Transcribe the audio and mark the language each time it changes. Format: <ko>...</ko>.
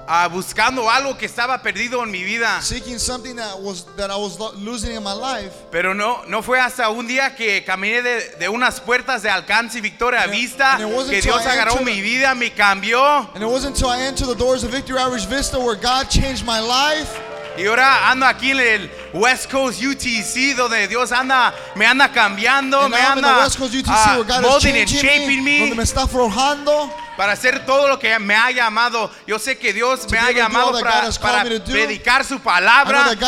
<es>buscando algo que estaba perdido en mi vida.</es> <en>Seeking something that I was losing in my life.</en> <es>Pero no fue hasta un día que caminé de unas puertas de Alcance Victoria Vista que Dios agarró mi vida, me cambió.</es> <en>And it wasn't until I entered the doors of Victory Outreach Vista where God changed my life.</en> <es>Y ahora ando aquí en el West Coast UTC donde Dios anda, me anda cambiando,</es> <en>and</en> <es>me anda</es> <en>molding and shaping me,</en> <es>donde me está forjando. Para hacer todo lo que me ha llamado, yo sé que Dios me ha llamado para predicar su palabra.</es>